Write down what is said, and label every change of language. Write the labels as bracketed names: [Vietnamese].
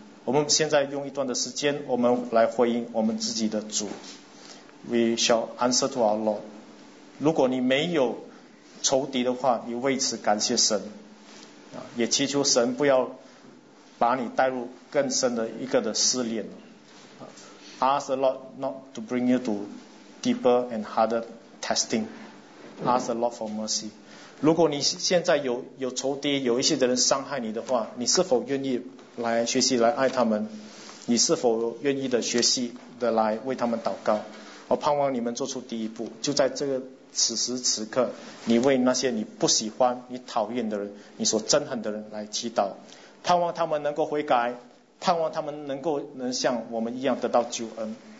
[Chinese] 我们现在用一段的时间，我们来回应我们自己的主。 [English] We shall answer to our Lord。 [Chinese] 如果你没有仇敌的话，你为此感谢神，也祈求神不要把你带入更深的一个的试炼。 [English] Ask the Lord not to bring you to deeper and harder testing. Ask the Lord for mercy. [Chinese] 如果你现在有仇敌，有一些的人伤害你的话，你是否愿意来学习来爱他们？你是否愿意的学习的来为他们祷告？我盼望你们做出第一步，就在这个此时此刻，你为那些你不喜欢、你讨厌的人、你所憎恨的人来祈祷，盼望他们能够悔改，盼望他们能够像我们一样得到救恩。